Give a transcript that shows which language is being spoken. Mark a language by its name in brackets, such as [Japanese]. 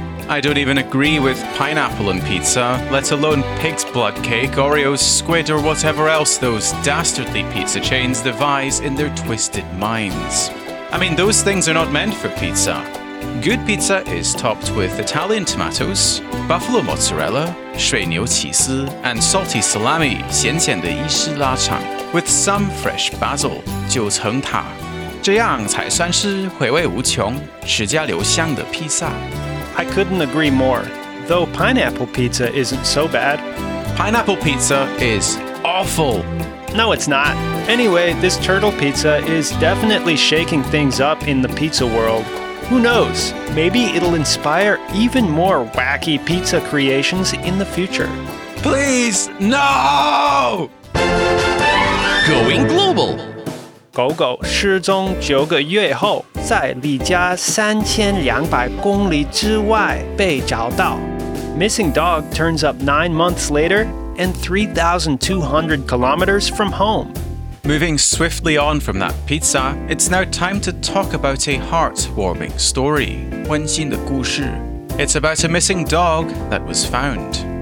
[English] I don't even agree with pineapple and pizza, let alone pig's blood cake, Oreos, squid, or whatever else those dastardly pizza chains devise in their twisted minds. I mean, those things are not meant for pizza. Good pizza is topped with Italian tomatoes, buffalo mozzarella, [Chinese] 水牛起司, [English] and salty salami, [Chinese] 咸咸的意式腊肠, [English] with some fresh basil, [Chinese] 九层塔。这样才算是回味无穷、齿颊留香的披萨。 [English] I couldn't agree more, though pineapple pizza isn't so bad. Pineapple pizza is awful. No, it's not. Anyway, this turtle pizza is definitely shaking things up in the pizza world. Who knows? Maybe it'll inspire even more wacky pizza creations in the future. Please, no! Going global. [Chinese] 狗狗失踪九个月后，在离家3200公里之外被找到。 [English] Missing dog turns up 9 months later and 3,200 kilometers from home. Moving swiftly on from that pizza, it's now time to talk about a heartwarming story. [Chinese] 温馨的故事。 [English] It's about a missing dog that was found.